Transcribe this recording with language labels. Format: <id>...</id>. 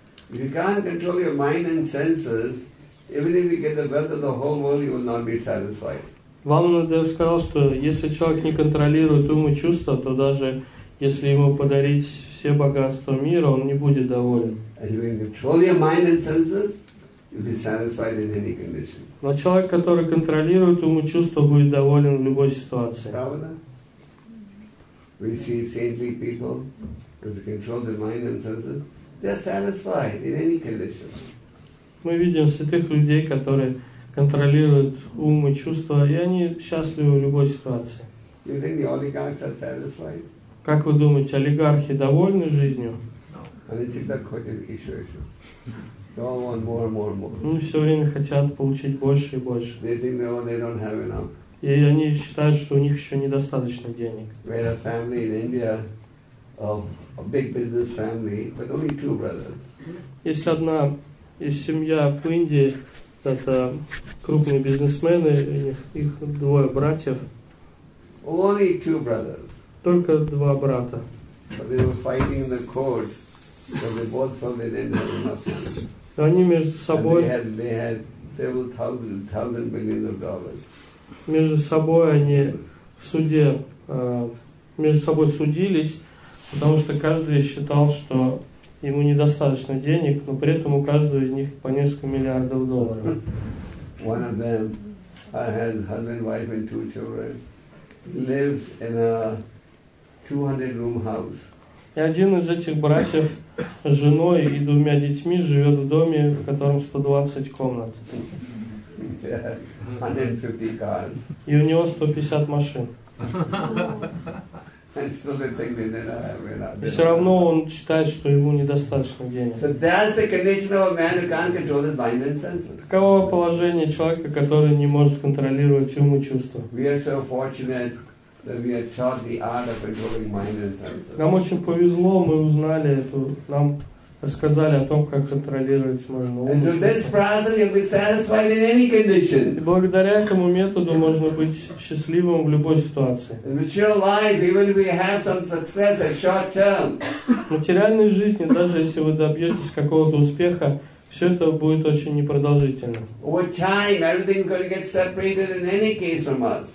<en>If you can't control your mind and senses, even if you get the wealth of the whole world, you will not be satisfied.</en> <ru>Вамана-дев сказал, что если человек не контролирует ум и чувства, то даже если ему подарить все богатства мира, он не будет доволен.</ru> <en>And when you control your mind and senses, you'll be satisfied in any condition.</en> <ru>Но человек, который контролирует ум и чувства, будет доволен в любой ситуации. Правда?</ru> <en>We see saintly people who control their mind and senses, they're satisfied in any condition.</en> <ru>Мы видим святых людей, которые контролируют ум и чувства, и они счастливы в любой ситуации.</ru> <en>You think the oligarchs are satisfied?</en> <ru>Как вы думаете, олигархи довольны жизнью? Они всегда хотят еще, еще.</ru> <en>They all want more and more and more.</en> <ru>Они все время хотят получить больше и больше.</ru> <en>They think they all, they don't have enough.</en> <ru>И они считают, что у них еще недостаточно денег.</ru> <en>We had a family in India, a big business family, but only two brothers.</en> <ru>Есть одна из семья в Индии, это крупные бизнесмены, их двое братьев.</ru> <en>Only two brothers.</en> <ru>Только два брата.</ru> <en>They were fighting in the court, so they both felt they didn't have enough money.</en> <ru>Они между собой.</ru> <en>And they had several thousand millions of dollars.</en> <ru>Между собой они в суде между собой судились, потому что каждый считал, что ему недостаточно денег, но при этом у каждого из них по несколько миллиардов долларов.</ru> <en>One of them has husband, wife, and two children. Lives in a 200-room house.</en> <ru>И один из этих братьев с женой и двумя детьми живет в доме, в котором 120 комнат.</ru> <en>Yeah, 150 cars.</en> <ru>И у него 150 машин.</ru> <en>And still they think they don't have enough.</en> <ru>И все равно он считает, что ему недостаточно денег.</ru> <en>So that's the condition of a man who can't control his mind and senses.</en> <ru>Таково положение человека, который не может контролировать ум и чувства.</ru> <en>We are so fortunate that we are taught the art of controlling mind and senses.</en> <ru>Нам очень повезло, мы узнали эту, нам рассказали о том, как контролировать можно ум и чувства.</ru> <en>And through this process, you'll be satisfied in any condition.</en> <ru>И благодаря этому методу можно быть счастливым в любой ситуации.</ru> <en>In material life, even if we have some success at short term.</en> <ru>В материальной жизни, даже если вы добьетесь какого-то успеха, все это будет очень непродолжительно.</ru> <en>Over time, everything's going to get separated in any case from us.</en>